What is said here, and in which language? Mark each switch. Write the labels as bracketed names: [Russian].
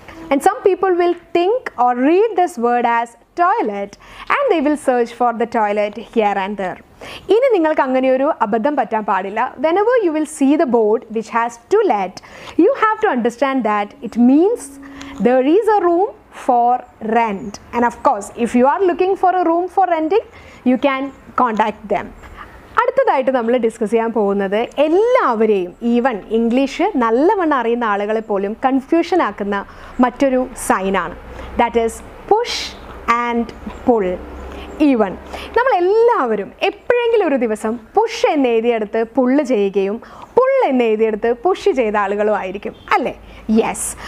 [English] And some people will think or read this word as toilet and they will search for the toilet here and there. [Malayalam] ഇനി നിങ്ങൾക്ക് അങ്ങനെയൊരു അബദ്ധം പറ്റാൻ പാടില്ല. [English] Whenever you will see the board which has to let, you have to understand that it means there is a room for rent. And of course, if you are looking for a room for renting, you can contact them. [Malayalam] അടുത്തതായിട്ട് നമ്മൾ discuss ചെയ്യാൻ പോകുന്നത് എല്ലാവരെയും, even English നല്ലവണ്ണം അറിയുന്ന ആളുകളെ പോലും confusion ആക്കുന്ന മറ്റൊരു സൈനാണ്. [English] That is push and pull. [Malayalam] Even നമ്മൾ എല്ലാവരും എപ്പോഴെങ്കിലും ഒരു ദിവസം പുഷ് എന്നെഴുതിയെടുത്ത് പുള്ള് ചെയ്യുകയും പുൾ എന്നെഴുതിയെടുത്ത് പുഷ് ചെയ്ത ആളുകളും ആയിരിക്കും, അല്ലേ? യെസ്.